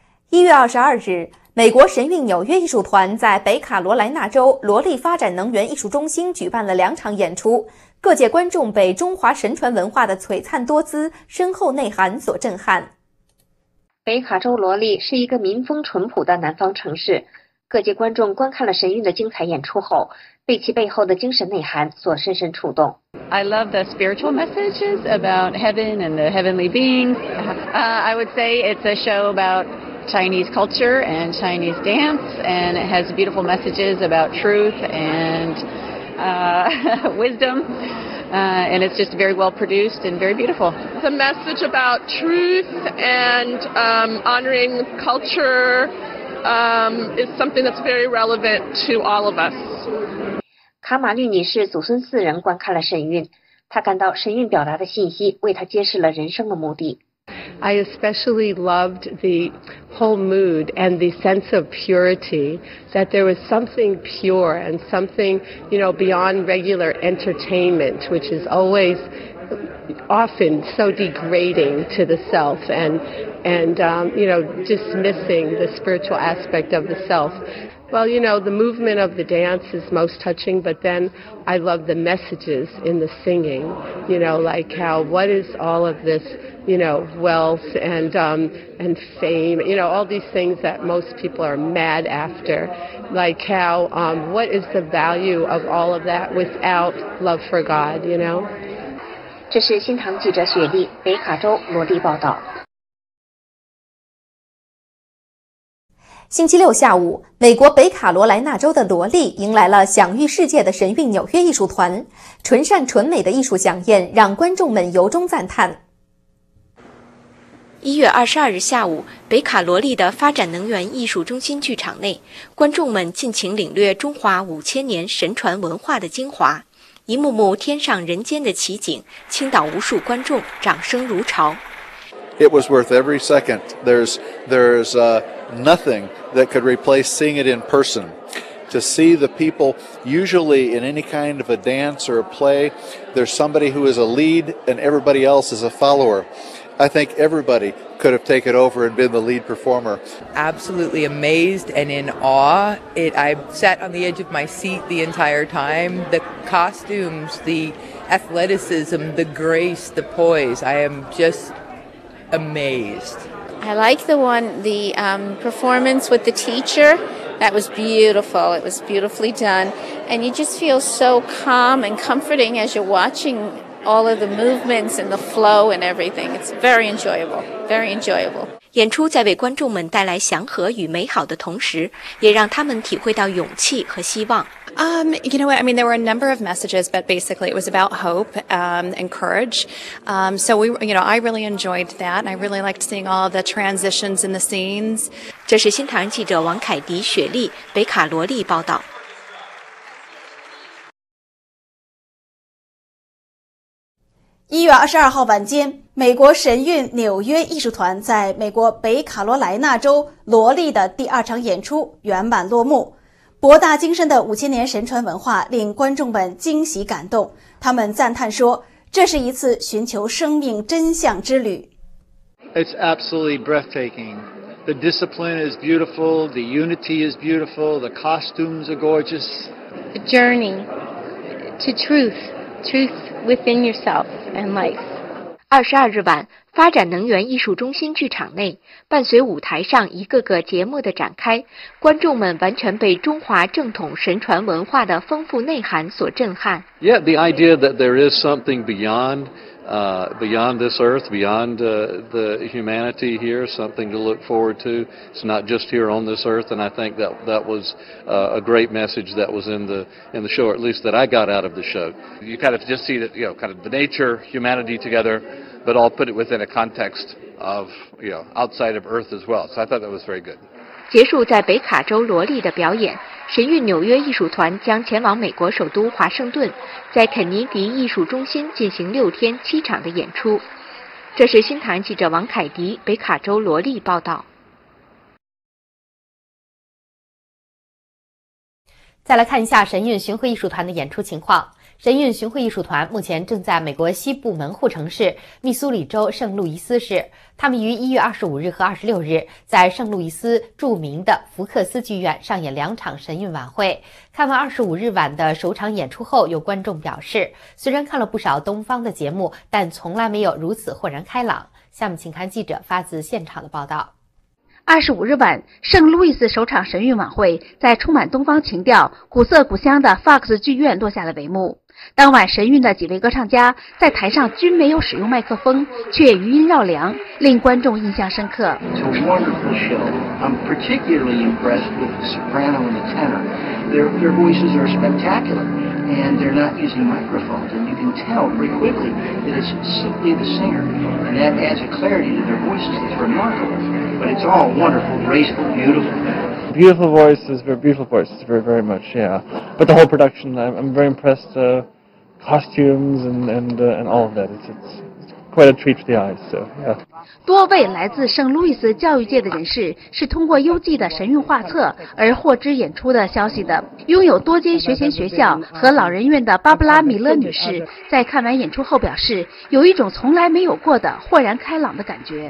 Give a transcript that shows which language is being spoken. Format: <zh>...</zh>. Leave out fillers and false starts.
<zh>1月22日，美国神韵纽约艺术团在北卡罗来纳州罗利发展能源艺术中心举办了两场演出，各界观众被中华神传文化的璀璨多姿、深厚内涵所震撼。北卡州罗利是一个民风淳朴的南方城市，各界观众观看了神韵的精彩演出后，被其背后的精神内涵所深深触动。</zh> <en>I love the spiritual messages about heaven and the heavenly beings. I would say it's a show about Chinese culture and Chinese dance, and it has beautiful messages about truth and wisdom. And it's just very well produced and very beautiful. It's a message about truth and honoring culture is something that's very relevant to all of us.</en> <zh>卡玛丽女士祖孙四人观看了神韵，她感到神韵表达的信息为她揭示了人生的目的。</zh> <en>I especially loved the whole mood and the sense of purity, that there was something pure and something, you know, beyond regular entertainment, which is always often so degrading to the self and you know, dismissing the spiritual aspect of the self. Well, you know, the movement of the dance is most touching, but then I love the messages in the singing, you know, like how, what is all of this, you know, wealth and fame, you know, all these things that most people are mad after, like how, what is the value of all of that without love for God, you know?</en> <zh>这是新唐记者雪莉，北卡州罗莉报道。星期六下午，美国北卡罗来纳州的罗莉迎来了享誉世界的神韵纽约艺术团，纯善纯美的艺术飨宴让观众们由衷赞叹。 1月22日下午，北卡罗莉的发展能源艺术中心剧场内，观众们尽情领略中华5000年神传文化的精华，一幕幕天上人间的奇景倾倒无数观众，掌声如潮。</zh> <en>It was worth every second. There's nothing that could replace seeing it in person. To see the people, usually in any kind of a dance or a play, there's somebody who is a lead and everybody else is a follower. I think everybody could have taken over and been the lead performer. Absolutely amazed and in awe. I sat on the edge of my seat the entire time. The costumes, the athleticism, the grace, the poise. I am just... amazed. I like the performance with the teacher. That was beautiful. It was beautifully done. And you just feel so calm and comforting as you're watching all of the movements and the flow and everything. It's very enjoyable. Very enjoyable.</en> <zh>演出在为观众们带来祥和与美好的同时，也让他们体会到勇气和希望。</zh> <en>You know what? I mean, there were a number of messages, but basically it was about hope and courage. I really enjoyed that. And I really liked seeing all the transitions in the scenes.</en> <zh>这是新唐记者王凯迪、雪莉、北卡罗莉报道。 1月22号晚间，美国神韵纽约艺术团在美国北卡罗来纳州罗莉的第二场演出圆满落幕。博大精深的5000年神传文化令观众们惊喜感动，他们赞叹说，这是一次寻求生命真相之旅。</zh> <en>It's absolutely breathtaking. The discipline is beautiful, the unity is beautiful, the costumes are gorgeous. The journey to truth, truth within yourself and life.</en> <zh>22日晚，发展能源艺术中心剧场内，伴随舞台上一个个节目的展开，观众们完全被中华正统神传文化的丰富内涵所震撼。</zh> <en>Yeah, the idea that there is something beyond this earth, beyond the humanity here, something to look forward to. It's not just here on this earth, and I think that was a great message that was in the show, or at least that I got out of the show. You kind of just see that, you know, kind of the nature, humanity together. But I'll put it within a context of, you know, outside of Earth as well. So I thought that was very good.</en> <zh>结束在北卡州罗莉的表演，神韵纽约艺术团将前往美国首都华盛顿，在肯尼迪艺术中心进行6天7场的演出。这是新唐记者王凯迪，北卡州罗莉报道。再来看一下神韵巡回艺术团的演出情况。神韵巡回艺术团目前正在美国西部门户城市密苏里州圣路易斯市。他们于1月25日和26日在圣路易斯著名的福克斯剧院上演两场神韵晚会。看完25日晚的首场演出后，有观众表示，虽然看了不少东方的节目，但从来没有如此豁然开朗。下面请看记者发自现场的报道。 25日晚，圣路易斯首场神韵晚会在充满东方情调、古色古香的 Fox 剧院落下了帷幕。当晚神韵的几位歌唱家在台上均没有使用麦克风，却余音绕梁，令观众印象深刻。</zh> <en>It's a wonderful show. I'm particularly impressed with the soprano and the tenor. Their voices are spectacular, and they're not using microphones. And you can tell pretty quickly that it's simply the singer, and that adds a clarity to their voices. It's remarkable, but it's all wonderful, graceful, beautiful. Beautiful voices, very beautiful voices, very, very much, yeah. But the whole production, I'm very impressed, costumes and all of that. It's quite a treat for the eyes, so, yeah.</en> <zh>多位来自圣路易斯教育界的人士是通过优绩的神韵画册而获知演出的消息的。拥有多间学前学校和老人院的巴布拉·米勒女士在看完演出后表示，有一种从来没有过的豁然开朗的感觉。</zh>